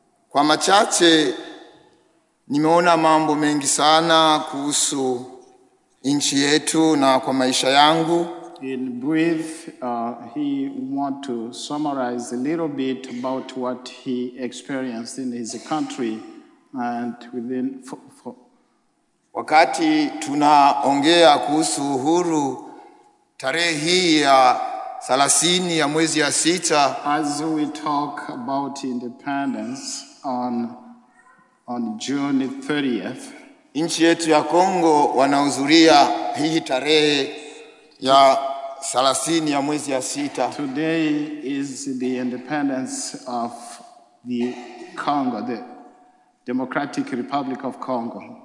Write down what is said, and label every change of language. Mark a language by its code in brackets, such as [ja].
[sw] Kwa machache nimeona mambo mengi sana kuhusu nchi yetu na kwa maisha yangu. [en] In brief, he want to summarize a little bit about what he experienced in his country and within [sw] wakati tunaongea kuhusu uhuru tarehe hii ya 30 ya mwezi ya 6. [en] As we talk about independence on June 30th. [sw] Nchi yetu ya Congo wanahudhuria hii tarehe ya 30 ya mwezi ya 6. [en] Today is the independence of the Congo, the Democratic Republic of Congo.